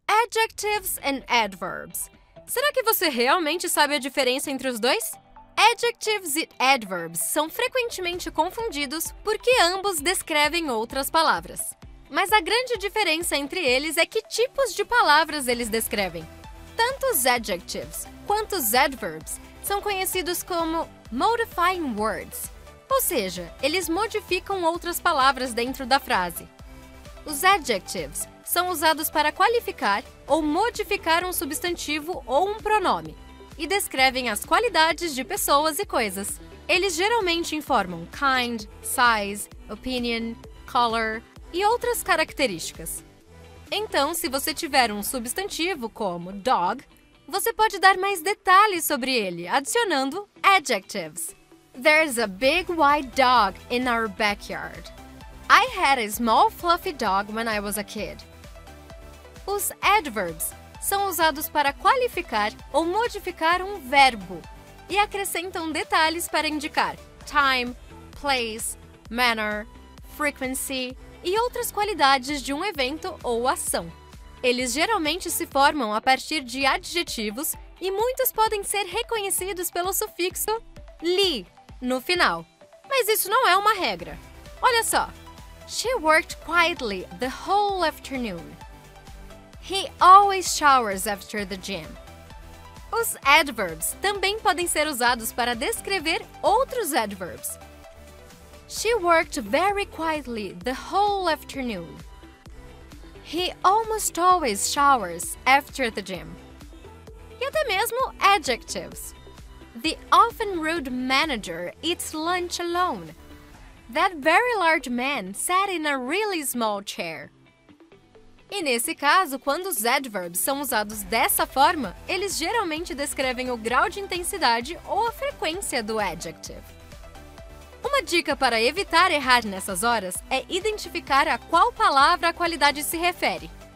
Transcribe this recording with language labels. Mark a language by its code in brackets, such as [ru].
[en] Adjectives and adverbs. [pt] Será que você realmente sabe a diferença entre os dois? Adjectives e adverbs são frequentemente confundidos porque ambos descrevem outras palavras. Mas a grande diferença entre eles é que tipos de palavras eles descrevem. Tanto os adjectives quanto os adverbs são conhecidos como [en] modifying words, [pt] ou seja, eles modificam outras palavras dentro da frase. Os adjectives são usados para qualificar ou modificar um substantivo ou um pronome e descrevem as qualidades de pessoas e coisas. Eles geralmente informam [en] kind, size, opinion, color [pt] e outras características. Então, se você tiver um substantivo como dog, você pode dar mais detalhes sobre ele adicionando adjectives. [en] There's a big white dog in our backyard. I had a small fluffy dog when I was a kid. [pt] Os adverbs são usados para qualificar ou modificar um verbo e acrescentam detalhes para indicar [en] time, place, manner, frequency [pt] e outras qualidades de um evento ou ação. Eles geralmente se formam a partir de adjetivos e muitos podem ser reconhecidos pelo sufixo -ly no final. Mas isso não é uma regra. Olha só. [en] She worked quietly the whole afternoon. He always showers after the gym. [pt] Os adverbs também podem ser usados para descrever outros adverbs. [en] She worked very quietly the whole afternoon. He almost always showers after the gym. [pt] E até mesmo adjectives. [en] The often rude manager eats lunch alone. That very large man sat in a really small chair. [pt] E nesse caso, quando os adverbs são usados dessa forma, eles geralmente descrevem o grau de intensidade ou a frequência do adjective. Uma dica para evitar errar nessas horas é identificar a qual palavra a qualidade se refere.